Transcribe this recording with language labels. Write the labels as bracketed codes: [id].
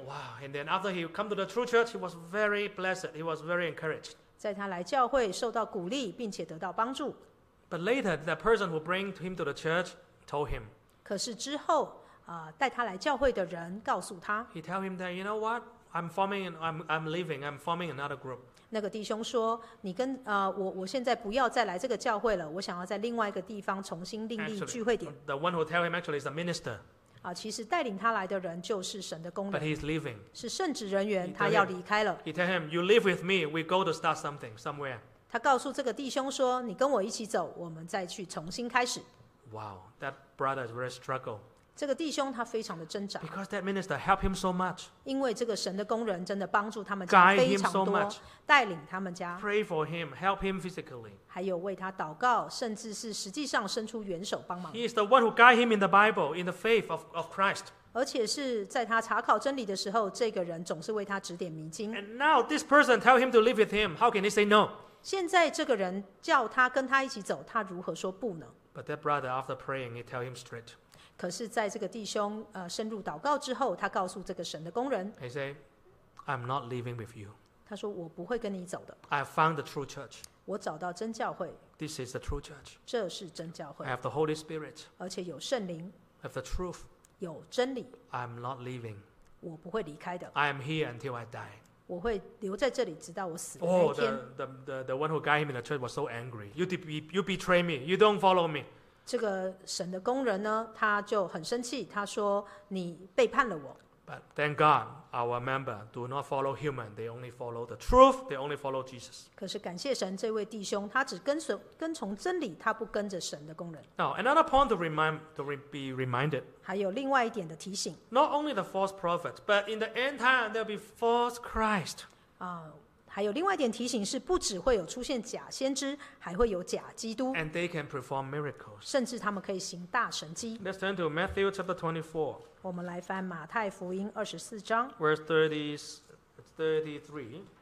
[en] Wow! And then after he come to the True Church, he was very blessed. He was very encouraged. [zh] 在他来教会受到鼓励，并且得到帮助。 [en] But later, the person who bring him to the church told him. [zh] 可是之后，带他来教会的人告诉他。 [en] He tell him that you know what. I'm forming another group. [zh] 那个弟兄说，你跟我现在不要再来这个教会了，我想要在另外一个地方重新另立聚会点。 [en] Actually, the one who tell him actually is a minister. [zh] 其实带领他来的人就是神的工人。 [en] But he's leaving. [zh] 是圣职人员，他要离开了。 [en] He tell him, you live with me, we go to start something somewhere. [zh] 他告诉这个弟兄说，你跟我一起走，我们再去重新开始。 [en] Wow, that brother is very struggle. [zh] 这个弟兄他非常的挣扎。 [en] Because that minister helped him so much. [zh] 因为这个神的工人真的帮助他们家非常多。 [en] Guide him so much. [zh] 带领他们家。 [en] Pray for him, help him physically. [zh] 还有为他祷告，甚至是实际上伸出援手帮忙。 [en] He is the one who guide him in the Bible, in the faith of Christ. [zh] 而且是在他查考真理的时候，这个人总是为他指点迷津。 [en] And now this person tell him to live with him. How can he say no? [zh] 现在这个人叫他跟他一起走，他如何说不呢？ [en] But that brother, after praying, he tell him straight. [zh] 可是在这个弟兄深入祷告之后，他告诉这个神的工人 [en] He said, I'm not leaving with you. [zh] 他说我不会跟你走的。 [en] I found the true church. [zh] 我找到真教会。 [en] This is the true church. [zh] 这是真教会。 [en] I have the Holy Spirit. [zh] 而且有圣灵。 [en] I have the truth. [zh] 有真理。 [en] I'm not leaving. [zh] 我不会离开的。 [en] I am here until I die. [zh] 我会留在这里直到我死的那一天。 [en] The one who guided him in the church was so angry. You betray me. You don't follow me. [zh] 这个神的工人呢，他就很生气，他说你背叛了我。 [en] But thank God, our member do not follow human, they only follow the truth, they only follow Jesus. [zh] 可是感谢神，这位弟兄他只跟从真理，他不跟着神的工人。 [en] Now, another point to be reminded. [zh] 还有另外一点的提醒。 [en] Not only the false prophet, but in the end time, there'll be false Christ. [zh] 还有另外一点提醒是，不只会有出现假先知，还会有假基督。 [en] And they can perform miracles. [zh] 甚至他们可以行大神迹。 [en] Let's turn to Matthew chapter 24. [zh] 我们来翻马太福音二十四章。 [en] Verse 33.